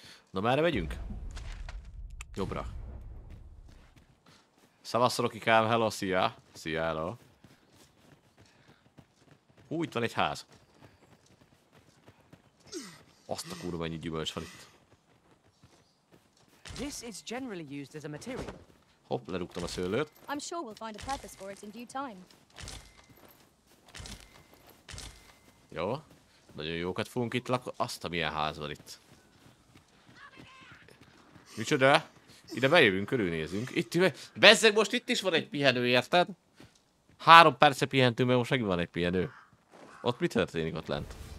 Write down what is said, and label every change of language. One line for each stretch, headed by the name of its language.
Hungarian: Na, merre megyünk? Jobbra. Szevasz, Roki Kám, hello, szia. Szia, hello. Hú, itt van egy ház. Azt a kurva, mennyi gyümölcs van itt.
English: This is generally used as a material.
Hungarian: Hopp, lerúgtam a szőlőt.
English: I'm sure we'll find a purpose for it in due time.
Hungarian: Jó. Nagyon jókat fogunk itt lakni. Azt a milyen ház van itt. Micsoda? Ide bejövünk, körülnézünk. Itt üve... Bezzeg, most itt is van egy pihenő, érted? 3 perce pihentünk, mert most megint van egy pihenő. Ott mi történik ott lent?